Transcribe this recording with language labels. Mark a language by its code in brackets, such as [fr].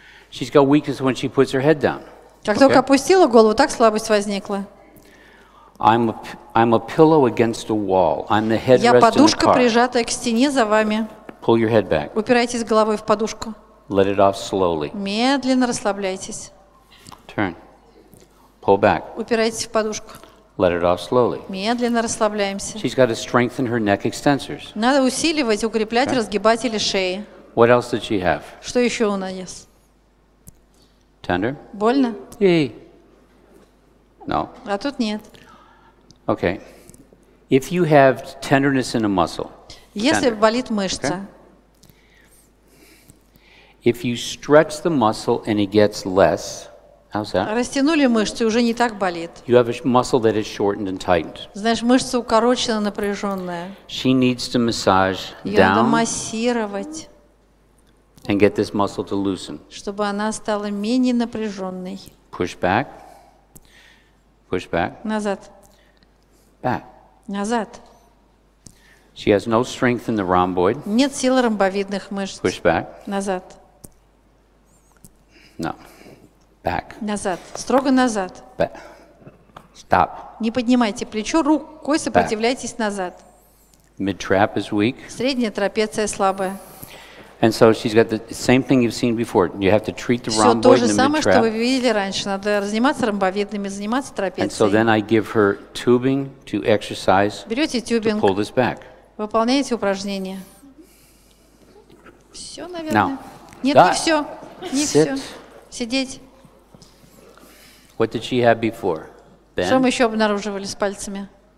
[en] She's got weakness when she puts her head down. [ru] Как только опустила голову, так слабость возникла. [en] I'm a pillow against a wall. I'm the headrest in the car. [ru] Я подушка, прижатая к стене за вами. [en] Pull your head back. [ru] Упирайтесь головой в подушку. [en] Let it off slowly. [ru] Медленно расслабляйтесь. [en] Turn. Pull back. [ru] Упирайтесь в подушку. [en] Let it off slowly. [ru] Медленно расслабляемся. [en] She's got to strengthen her neck extensors. [ru] Надо усиливать, укреплять разгибатели шеи. [en] What else did she have? [ru] Что еще у нас? [en] Tender? [ru] Больно? [en] Yay. No. [ru] А тут нет. [en] Okay. If you have tenderness in a muscle. [ru] Если болит мышца. Okay. [en] If you stretch the muscle and it gets less, how's that? [ru] Растянули мышцу, уже не так болит. [en] You have a muscle that is shortened and tightened. [ru] Знаешь, мышца укорочена, напряженная. [en] She needs to massage [ru] Ее [en] down. [ru] Надо массировать. [en] And get this muscle to loosen. [ru] Чтобы она стала менее напряженной. [en] Push back. Push back. [ru] Назад. [en] Back. [ru] Назад. [en] She has no strength in the rhomboid. [ru] Нет силы ромбовидных мышц. [en] Push back. [ru] Назад. [en] No. Back. [ru] Назад. Строго назад. [en] Back. Stop. [ru] Не поднимайте плечо, рукой сопротивляйтесь назад. [en] Mid-trap is weak. [ru] Средняя трапеция слабая. [en] And so she's got the same thing you've seen before. You have to treat the rhomboid and the mid-trap. [ru] Все то же самое, что вы видели раньше. Надо заниматься ромбовидными, заниматься трапецией. [en] And so then I give her tubing to exercise. [ru] Берете тюбинг. [en] To pull this back. [ru] Выполняете упражнение. Все, наверное. [en] Now, [ru] нет, [en] that, [ru] не все. Не [en] sit. [ru] Все. Сидеть. [en] What did she have before? Bend? [ru] Что мы еще обнаруживали с пальцами?